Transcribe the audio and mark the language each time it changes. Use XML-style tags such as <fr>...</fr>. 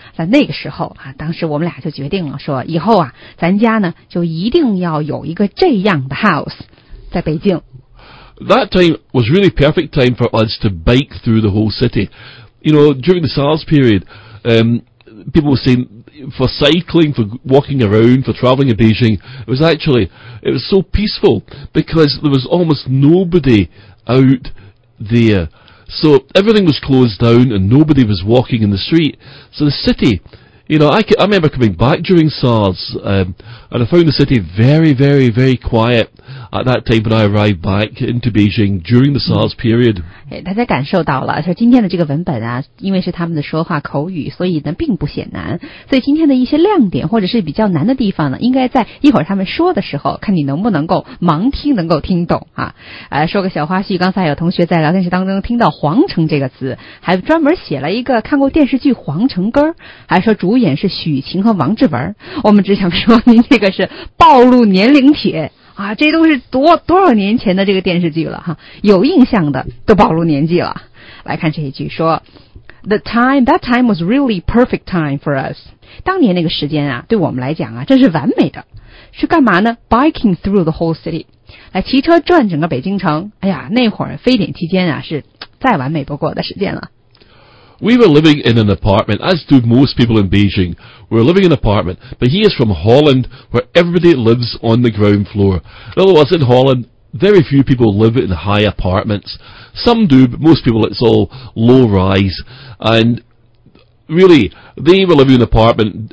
<zh>在那个时候啊，当时我们俩就决定了说以后啊咱家呢就一定要有一个这样的 house 在北京。</zh> <en>That time was really perfect time for us to bike through the whole city. You know, during the SARS period, people were saying for cycling, for walking around, for traveling in Beijing, it was so peaceful because there was almost nobody out there. So everything was closed down and nobody was walking in the street. So the city, you know, I remember coming back during SARS, and I found the city very, very, very quiet. At that time when I arrived back into Beijing during the SARS period.</en> <zh>大家感受到了，说今天的这个文本啊，因为是他们的说话口语，所以呢并不显难。所以今天的一些亮点或者是比较难的地方呢，应该在一会儿他们说的时候，看你能不能够盲听能够听懂啊。说个小花絮，刚才有同学在聊天室当中听到皇城这个词，还专门写了一个看过电视剧皇城歌，还说主演是许晴和王志文。我们只想说您这个是暴露年龄帖。啊，这都是多少年前的这个电视剧了哈，有印象的都暴露年纪了。来看这一句说 ，</zh> <en>That time was really perfect time for us。</en> <zh>当年那个时间啊，对我们来讲啊，真是完美的。是干嘛呢 ？</zh> <en>Biking through the whole city，</en> <zh>来骑车转整个北京城。哎呀，那会儿非典期间啊，是再完美不过的时间了。</zh> <en>We were living in an apartment, as do most people in Beijing. We were living in an apartment, but he is from Holland, where everybody lives on the ground floor. In other words, in Holland, very few people live in high apartments. Some do, but most people, it's all low rise. And really, they were living in an apartment.</en>